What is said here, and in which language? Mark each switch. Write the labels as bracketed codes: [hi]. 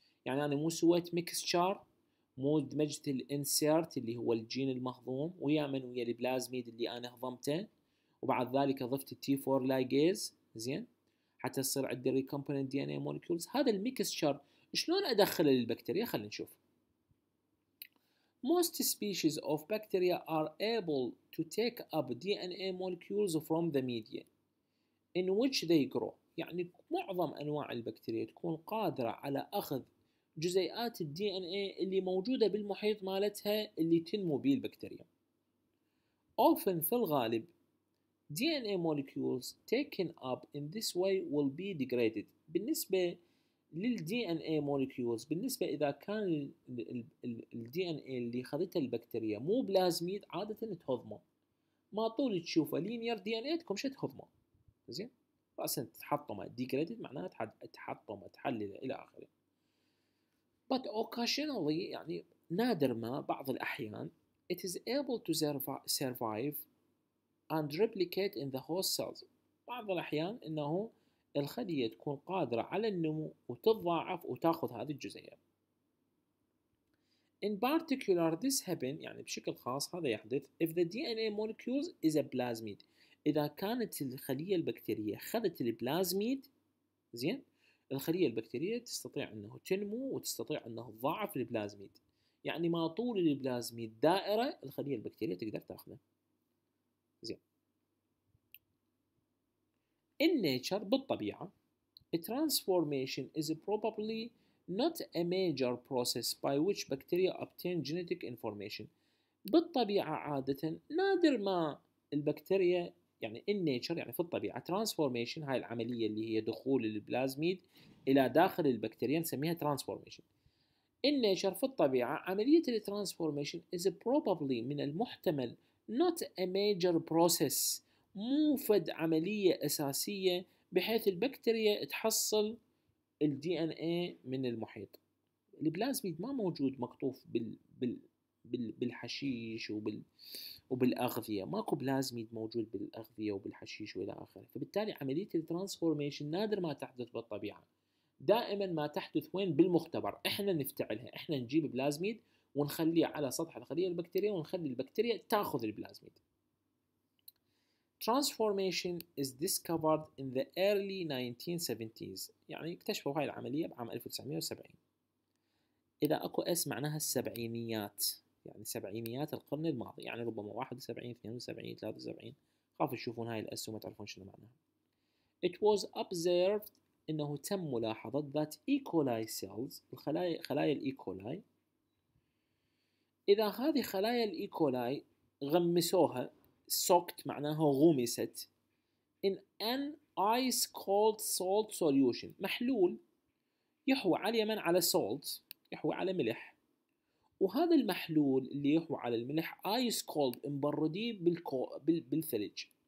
[ar] يعني أنا مو سويت ميكسشار، مو دمجت الإنسيرت اللي هو الجين المهضوم ويا من ويا البلازميد اللي أنا هضمته، وبعد ذلك أضفت T4 ليجيز زين حتى يصير عندي ريكومبوننت دي إن إيه مولكيولز. هذا الميكسشار شلون أدخله للبكتيريا؟ خلينا نشوف. [en] Most species of bacteria are able to take up DNA molecules from the media in which they grow. [ar] يعني معظم أنواع البكتيريا تكون قادرة على أخذ جزيئات الـ DNA اللي موجودة بالمحيط مالتها اللي تنمو به البكتيريا. [en] Often [ar] في الغالب [en] DNA molecules taken up in this way will be degraded. [ar] بالنسبة للـ DNA molecules، بالنسبة إذا كان الـ DNA اللي خذته البكتيريا مو بلازميد عادة تهضمه. ما طول تشوفه لينير DNA تكون شو تهضمه. زين راسا تحطمه degraded معناها تحطمه تحلل الى اخره. [en] But occasionally [ar] يعني نادر ما بعض الاحيان [en] it is able to survive and replicate in the host cells. [ar] بعض الاحيان انه الخلية تكون قادرة على النمو وتتضاعف وتاخذ هذه الجزيئة. [en] In particular this happen [ar] يعني بشكل خاص هذا يحدث [en] if the DNA molecules is a plasmid. [ar] إذا كانت الخلية البكتيرية خذت البلازميد زين، الخلية البكتيرية تستطيع أنه تنمو وتستطيع أنه تضاعف البلازميد. يعني ما طول البلازميد دائرة الخلية البكتيرية تقدر تأخذه. [en] زين In nature [ar] بالطبيعة [en] A transformation is probably not a major process by which bacteria obtain genetic information. [ar] بالطبيعة عادة نادر ما البكتيريا يعني [en] in nature [ar] يعني في الطبيعة transformation هاي العملية اللي هي دخول البلازميد إلى داخل البكتيريا نسميها transformation. [en] In nature [ar] في الطبيعة عملية الـ transformation [en] is probably [ar] من المحتمل [en] not a major process [ar] مو فد عملية أساسية بحيث البكتيريا تحصل الـ DNA من المحيط. البلازميد ما موجود مقطوف بالحشيش وبالأغذية، ماكو بلازميد موجود بالأغذية وبالحشيش وإلى آخره، فبالتالي عملية الترانسفورميشن نادر ما تحدث بالطبيعة، دائما ما تحدث وين؟ بالمختبر، إحنا نفتعلها، إحنا نجيب بلازميد ونخليه على سطح الخلية البكتيرية ونخلي البكتيريا تأخذ البلازميد. [en] Transformation is discovered in the early 1970s، [ar] يعني اكتشفوا هاي العملية بعام 1970. إذا أكو اسم معناها السبعينيات. يعني سبعينيات القرن الماضي، يعني ربما 71 72 73 خاف تشوفون هاي الاس وما تعرفون شنو معناها. [en] It was observed [ar] انه تم ملاحظة [en] that E. coli cells [ar] خلايا الاي كولاي، اذا هذه خلايا الاي كولاي غمسوها soaked معناها غمست [en] in an ice cold salt solution [ar] محلول يحوي على اليمن على salt يحوي على ملح، وهذا المحلول اللي يحوي على الملح ايس كولد مبرديه بالثلج.